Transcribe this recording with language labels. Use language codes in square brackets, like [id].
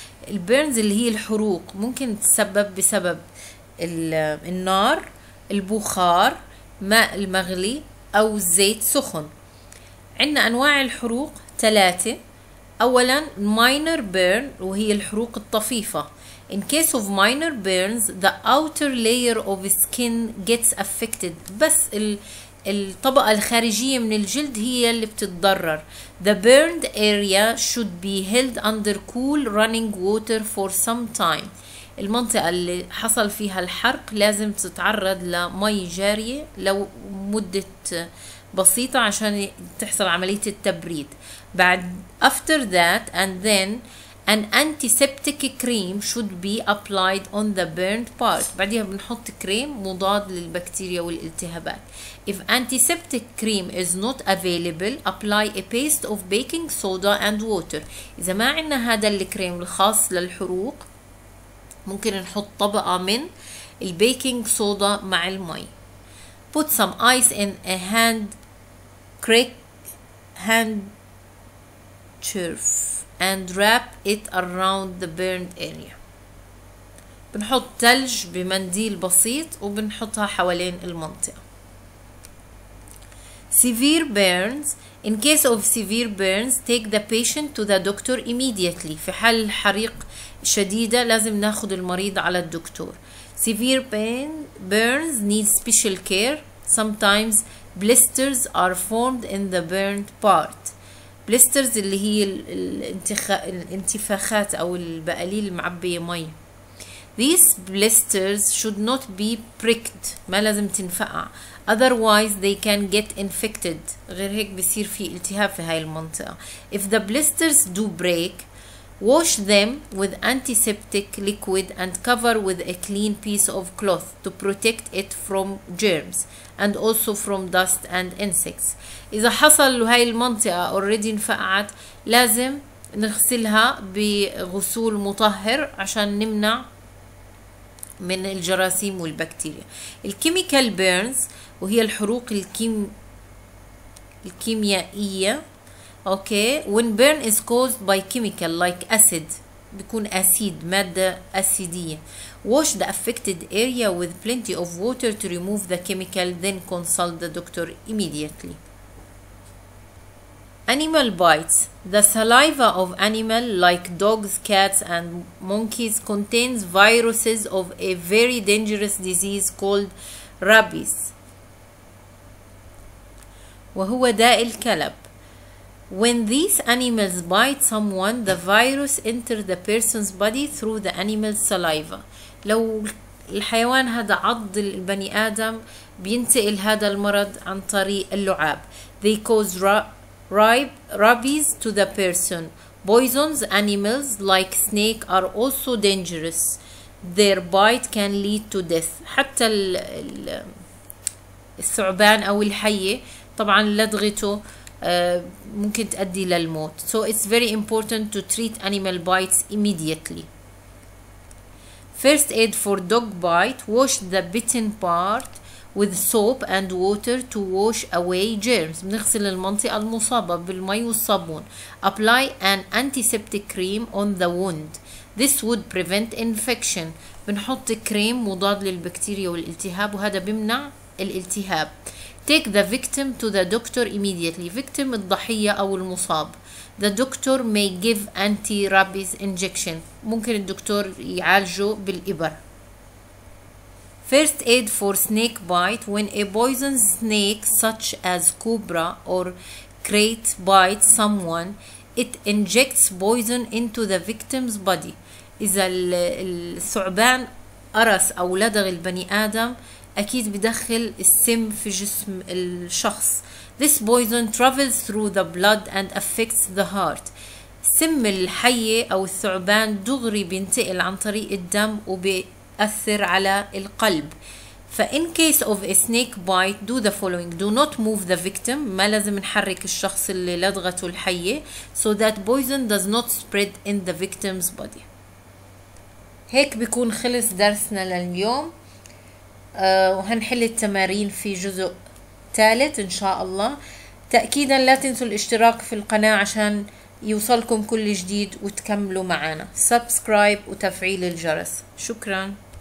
[ar] البيرنز اللي هي الحروق ممكن تسبب بسبب النار البخار ماء المغلي أو زيت سخن. عندنا أنواع الحروق ثلاثة أولاً [en] minor burn [ar] وهي الحروق الطفيفة. [en] In case of minor burns, the outer layer of skin gets affected. [ar] بس الطبقة الخارجية من الجلد هي اللي بتتضرر. [en] The burned area should be held under cool running water for some time. [ar] المنطقة اللي حصل فيها الحرق لازم تتعرض لمي جارية لمدة بسيطة عشان تحصل عملية التبريد. بعد [en] after that and then an antiseptic cream should be applied on the burned part. [ar] بعدها بنحط كريم مضاد للبكتيريا والالتهابات. [en] If antiseptic cream is not available, apply a paste of baking soda and water. [ar] إذا ما عندنا هذا الكريم الخاص للحروق ممكن نحط طبقة من البيكنج صودا مع المي. [en] Put some ice in a handkerchief and wrap it around the burned area. [ar] بنحط تلج بمنديل بسيط وبنحطها حوالين المنطقة. [en] Severe burns. In case of severe burns, take the patient to the doctor immediately. [ar] في حال الحريق شديدة لازم ناخد المريض على الدكتور. [en] Severe pain burns need special care. Sometimes blisters are formed in the burned part. [ar] Blisters اللي هي الانتفاخات أو البقاليل المعبية مي. [en] These blisters should not be pricked. [ar] ما لازم تنفقع. [en] Otherwise they can get infected. [ar] غير هيك بصير في التهاب في هاي المنطقة. [en] If the blisters do break, wash them with antiseptic liquid and cover with a clean piece of cloth to protect it from germs and also from dust and insects. [ar] إذا حصل هاي المنطقة [en] already [ar] انفقعت لازم نغسلها بغسول مطهر عشان نمنع من الجراثيم والبكتيريا. الكيميكال بيرنز وهي الحروق الكيميائية. [en] Okay, when burn is caused by chemical like acid, [ar] بيكون [en] acid, [ar] مادة أسيدية. [en] Wash the affected area with plenty of water to remove the chemical, then consult the doctor immediately. Animal bites. The saliva of animal like dogs, cats and monkeys contains viruses of a very dangerous disease called rabies. [ar] وهو داء الكلب. [en] When these animals bite someone, the virus enters the person's body through the animal's saliva. [ar] لو الحيوان هذا عض البني آدم بينتقل هذا المرض عن طريق اللعاب. [en] They cause rabies to the person. Poisonous animals like snake are also dangerous. Their bite can lead to death. [ar] حتى الثعبان أو الحية طبعا لدغته ممكن تؤدي للموت. [en] So it's very important to treat animal bites immediately. First aid for dog bite. Wash the bitten part with soap and water to wash away germs. [ar] بنغسل المنطقة المصابة بالماء والصابون. [en] Apply an antiseptic cream on the wound. This would prevent infection. [ar] بنحط كريم مضاد للبكتيريا والالتهاب وهذا بيمنع الالتهاب. [en] Take the victim to the doctor immediately. [ar] Victim الضحية أو المصاب. [en] The doctor may give anti-rabies injection. [ar] ممكن الدكتور يعالجه بالإبر. [en] First aid for snake bite. When a poisonous snake such as cobra or crate bites someone, it injects poison into the victim's body. [ar] إذا الثعبان قرص أو لدغ البني آدم أكيد بدخل السم في جسم الشخص. [en] This poison travels through the blood and affects the heart. [ar] سم الحية أو الثعبان دغري بينتقل عن طريق الدم وبيأثر على القلب. فإن [en] case of a snake bite, do the following. Do not move the victim. [ar] ما لازم نحرك الشخص اللي لدغته الحية. [en] So that poison does not spread in the victim's body. [ar] هيك بيكون خلص درسنا لليوم. وهنحل التمارين في جزء ثالث إن شاء الله. تأكيدا لا تنسوا الاشتراك في القناة عشان يوصلكم كل جديد وتكملوا معنا. سبسكرايب وتفعيل الجرس. شكرا.